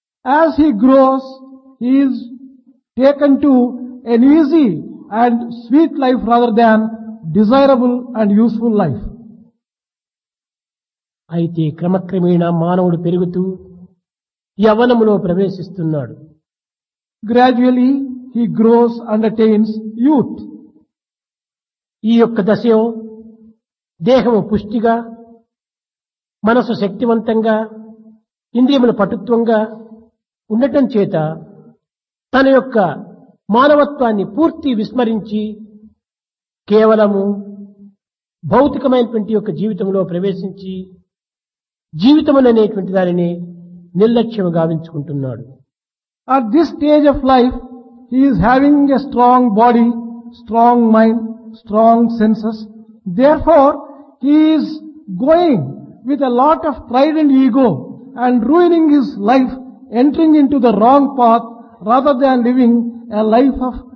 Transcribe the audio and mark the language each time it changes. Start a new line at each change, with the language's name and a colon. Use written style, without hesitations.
English: as he grows he's taken to an easy and sweet life rather than desirable and useful life
Telugu: అయితే క్రమక్రమేణా మానవుడు పెరుగుతూ యవనములో ప్రవేశిస్తున్నాడు
English: Gradually he grows and attains youth.
Telugu: ఈ యొక్క దశలో దేహము పుష్టిగా మనసు శక్తివంతంగా ఇంద్రియముల పటుత్వంగా ఉండటం చేత తన యొక్క మానవత్వాన్ని పూర్తి విస్మరించి కేవలము భౌతికమైనటువంటి యొక్క జీవితంలో ప్రవేశించి జీవితమననేటువంటి దానిని నిర్లక్ష్యం గావించుకుంటున్నాడు
English: At this stage of life, he is having a strong body strong mind, strong senses. Therefore, he is going with a lot of pride and ego and ruining his life, entering into the wrong path rather than living a life of